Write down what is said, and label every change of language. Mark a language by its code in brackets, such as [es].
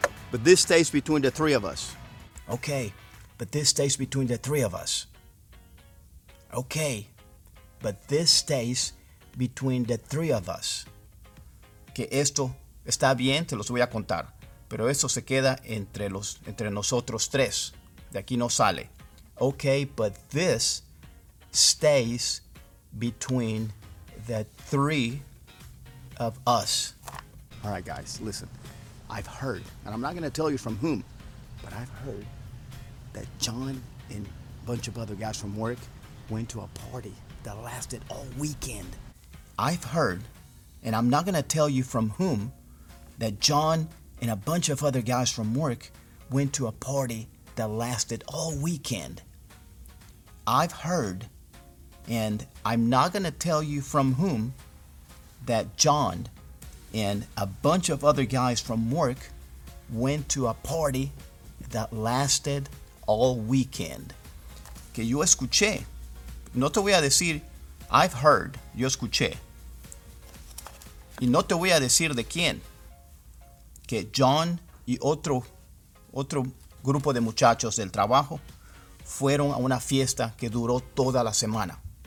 [en] But this stays between the three of us. Okay, but this stays between the three of us. Okay, but this stays between the three of us. [es] Que esto está bien, te los voy a contar. Pero esto se queda entre nosotros tres. De aquí no sale. [en] Okay, but this stays between the three of us. All right, guys, listen. I've heard, and I'm not going to tell you from whom, but I've heard that John and a bunch of other guys from work went to a party that lasted all weekend. I've heard, and I'm not going to tell you from whom, that John and a bunch of other guys from work went to a party that lasted all weekend. I've heard, and I'm not going to tell you from whom, that John and a bunch of other guys from work went to a party that lasted all weekend. [es] Que yo escuché. No te voy a decir, [en] I've heard, [es] yo escuché. Y no te voy a decir de quién. Que John y otro grupo de muchachos del trabajo fueron a una fiesta que duró toda la semana.